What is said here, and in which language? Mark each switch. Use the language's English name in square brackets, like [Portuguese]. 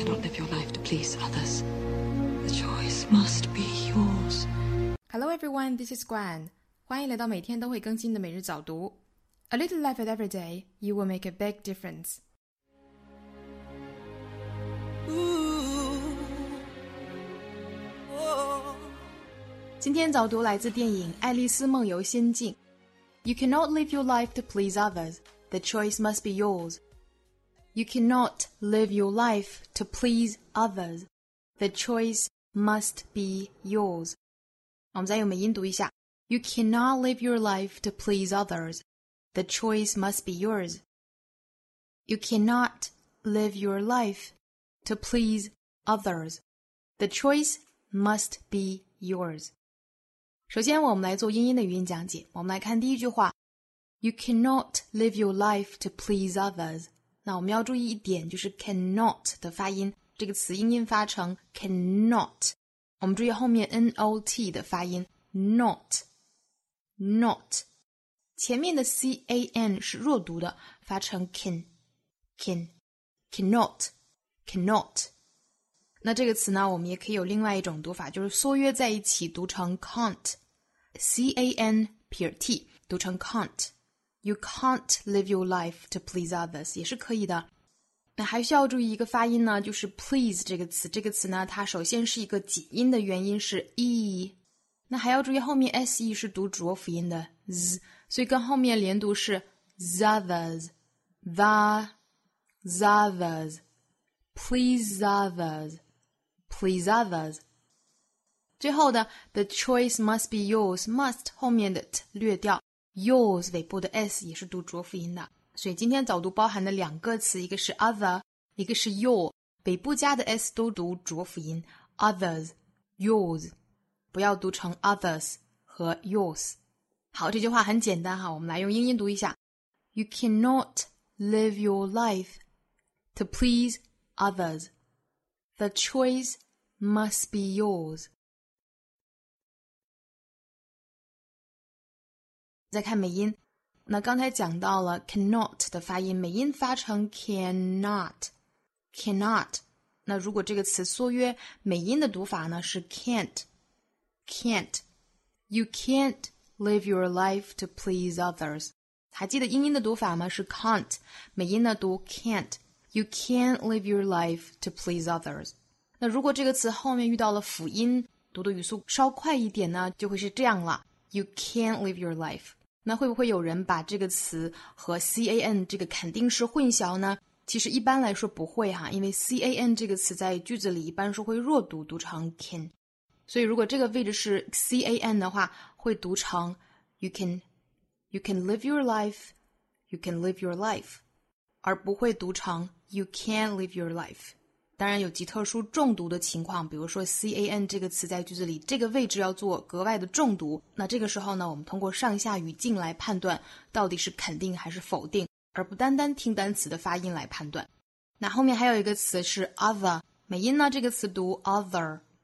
[English] of your life to please others. The choice must be yours. Hello everyone, this is Gwen. [Chinese] 欢迎来到每天都会更新的每日早读。 [English] A little life at every day, you will make a big difference. Ooh, oh. [Chinese] 今天早读来自电影《爱丽丝梦游仙境》。 [English] You cannot live your life to please others. The choice must be yours. You cannot live your life to please others. The choice must be yours. [Chinese] 我们再用美音读一下。 [English] You cannot live your life to please others. The choice must be yours. You cannot live your life to please others. The choice must be yours. [Chinese] 首先我们来做英音的语音讲解。我们来看第一句话。 [English] You cannot live your life to please others. [Chinese] 那我们要注意一点，就是 cannot 的发音。这个词音音发成 cannot。我们注意后面 not 的发音 not。 Not, 前面的 C-A-N 是弱读的，发成 can, can, cannot, cannot. 那这个词呢，我们也可以有另外一种读法，就是缩约在一起读成 can't, C-A-N, 撇 T, 读成 can't. [English] You can't live your life to please others, [Chinese] 也是可以的。那还需要注意一个发音呢，就是 please 这个词。这个词呢，它首先是一个紧音的元音是 E,那还要注意后面 SE 是读浊辅音的 Z, 所以跟后面连读是 Zothers, The, Zothers, Please Others, Please Others. 最后的 The choice must be yours, must 后面的 T 略掉 Yours 尾部的 S 也是读浊辅音的。所以今天早读包含的两个词，一个是 Other, 一个是 Your, 尾部加的 S 都读浊辅音 Others, Yours. 不要读成 others 和 yours。好，这句话很简单哈，我们来用英音读一下。 [English] You cannot live your life to please others. The choice must be yours. [Chinese] 再看美音，那刚才讲到了 cannot 的发音，美音发成 cannot, cannot。那如果这个词缩约，美音的读法呢是 can't。 [English] Can't, you can't live your life to please others. [Chinese] 还记得英音的读法吗？是 can't, 美音呢读 can't. [English] You can't live your life to please others. [Chinese] 那如果这个词后面遇到了辅音，读的语速稍快一点呢，就会是这样了。 [English] You can't live your life. [Chinese] 那会不会有人把这个词和 can 这个肯定式混淆呢？其实一般来说不会哈，因为 can 这个词在句子里一般是会弱读，读成 can。所以如果这个位置是 can 的话，会读成 [English] you can live your life, you can live your life, [Chinese] 而不会读成 [English] you can't live your life。 [Chinese] 当然有极特殊重读的情况，比如说 can 这个词在句子里这个位置要做格外的重读，那这个时候呢，我们通过上下语境来判断到底是肯定还是否定，而不单单听单词的发音来判断。那后面还有一个词是 other， 美音呢这个词读 other,